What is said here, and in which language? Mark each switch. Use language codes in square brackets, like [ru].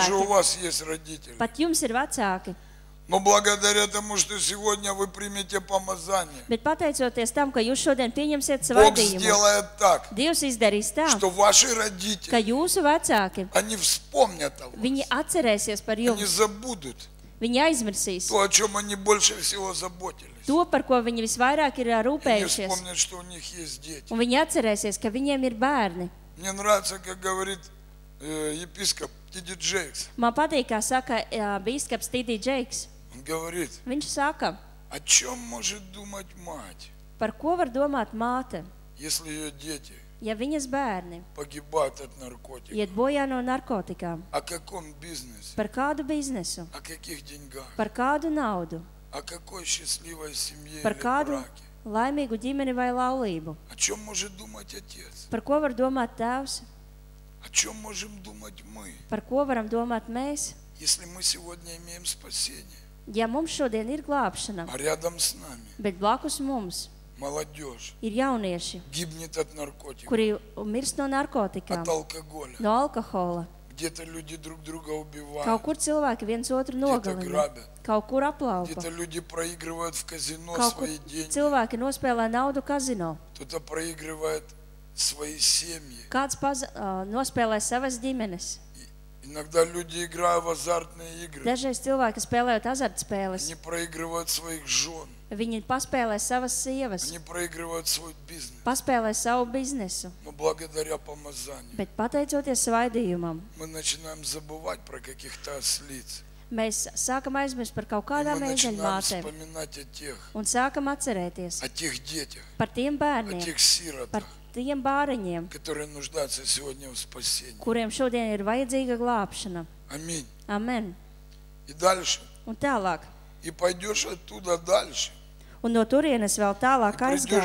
[ru] Даже у вас есть родители. [lv] Pat jums ir vecāki. [ru] Но благодаря тому, что сегодня вы примете помазание. [lv] Bet pateicoties tam, ka jūs šodien pieņemsiet svaidījumu. [ru] Бог сделает так. [lv] Dievs izdarīs tā. [ru] Что ваши родители. [lv] Ka jūsu vecāki. [ru] Они вспомнят о вас. [lv] Viņi atcerēsies par jums. [ru] Они забудут. [lv] Viņi aizmirsīs. [ru] То, о чём они больше всего заботились. [lv] To, par ko viņi visvairāk ir rūpējušies. [ru] Они вспомнят, что у них есть дети. [lv] Un viņi atcerēsies, ka viņiem ir bērni. [ru] Мне нравится, как говорит епископ Тиди Джейкс. [lv] Man patīk, kā saka bīskaps Тиди Джейкс. [ru] Говорит. [lv] Viņš saka. [ru] О чём может думать мать? [lv] Par ko var domāt māte? [ru] Если её дети. [lv] Ja viņas bērni. [ru] Погибают от наркотиков. [lv] Iet bojā no narkotikām. [ru] О каком бизнесе? [lv] Par kādu biznesu? [ru] О каких деньгах? [lv] Par kādu naudu? [ru] О какой счастливой семье? [lv] Par kādu laimīgu ģimeni vai laulību? [ru] О чём может думать отец? [lv] Par ko var domāt tēvs? [ru] О чём можем думать мы? [lv] Par ko varam domāt mēs? [ru] Если мы сегодня имеем спасение. [lv] Ja mums šodien ir glābšana. [ru] А рядом с нами. [lv] Bet blakus mums. [ru] Молодёжь. [lv] Ir jaunieši. [ru] Гибнет от наркотиков. [lv] Kuri mirst no narkotikām. [ru] От алкоголя. [lv] No alkohola. [ru] Где-то люди друг друга убивают. [lv] Kaut kur cilvēki viens otru nogalina. [ru] Где-то грабят. [lv] Kaut kur aplaupa. [ru] Где-то люди проигрывают в казино свои деньги. [lv] Cilvēki nospēlē naudu kazino. [ru] Кто-то проигрывает свои семьи. [lv] Kāds nospēlē savas ģimenes. [ru] Иногда люди играют в азартные игры. [lv] Dažreiz cilvēki spēlējot azartspēles. Viņi [ru] проигрывают своих жён. [lv] Viņi paspēlē savas sievas. Viņi [ru] проигрывают свой бизнес. [lv] Paspēlē savu biznesu. [ru] Но благодаря помазанию. [lv] Bet pateicoties svaidījumam. [ru] Мы начинаем забывать про каких-то ослиц. [lv] Mēs sākam aizmirst par kaut kādām ēzeļmātēm. [ru] Мы начинаем вспоминать о тех. [lv] Un sākam atcerēties. [ru] О тех детях. [lv] Par tiem bērniem. [ru] О тех сиротах. [lv] Par tiem bāriņiem, [ru] которые нуждаются сегодня в спасении. [lv] Kuriem šodien ir vajadzīga glābšana. [ru] Amen. [lv] Amen. [ru] И дальше. [lv] Un tālāk. [ru] И пойдёшь оттуда дальше. [lv] Un no turienes vēl tālāk aizgājis.